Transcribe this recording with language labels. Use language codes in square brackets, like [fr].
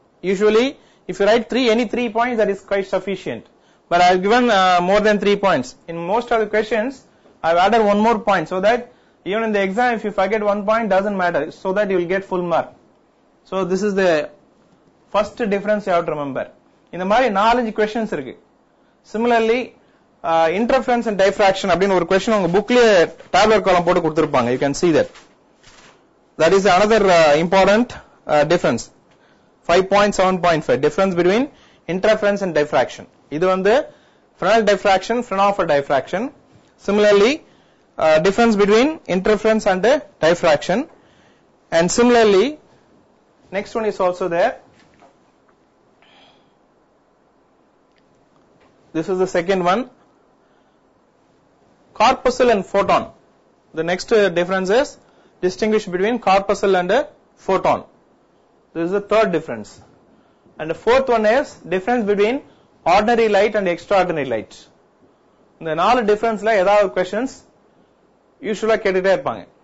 [en] Usually if you write any three points that is quite sufficient, but I have given more than 3 points. In most of the questions I have added one more point so that even in the exam if you forget one point doesn't matter, so that you will get full mark. So this is the first difference you have to remember. [ta] இந்த மாதிரி நாலஞ்சு questions இருக்கு. Similarly interference and diffraction அப்படின்னு ஒரு question உங்க புக்லயே tablet காலம் போட்டு கொடுத்திருப்பாங்க. [en] You can see that is another important difference. 5.7.5 difference between interference and diffraction. [ta] இது வந்து [en] Fresnel diffraction, Fraunhofer diffraction. Similarly difference between interference and diffraction. And similarly next one is also there. This is the second one, corpuscle and photon. The next difference is distinguish between corpuscle and photon. This is the third difference. And the fourth one is difference between ordinary light and extraordinary light. [ta] இந்த நாலு டிஃபரன்ஸ்ல ஏதாவது questions யூஸ்வலா கேட்டுட்டே இருப்பாங்க.